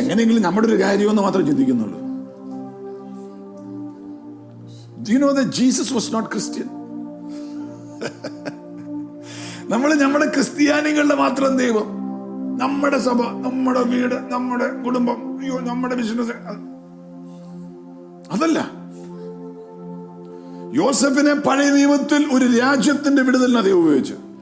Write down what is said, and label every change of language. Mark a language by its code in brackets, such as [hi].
[ml] എങ്ങനെയെങ്കിലും നമ്മുടെ ഒരു കാര്യമെന്ന് മാത്രം ചിന്തിക്കുന്നുള്ളൂ. [en] Do you know that Jesus was not Christian? [ml] നമ്മള് നമ്മുടെ ക്രിസ്ത്യാനികളുടെ മാത്രം ദൈവം, നമ്മുടെ സഭ, നമ്മുടെ വീട്, നമ്മുടെ കുടുംബം, അയ്യോ നമ്മുടെ ബിസിനസ്. അതല്ല. യോസഫിനെ പഴയ നിയമത്തിൽ ഒരു രാജ്യത്തിന്റെ വിടുതലിന് അദ്ദേഹം ഉപയോഗിച്ചു.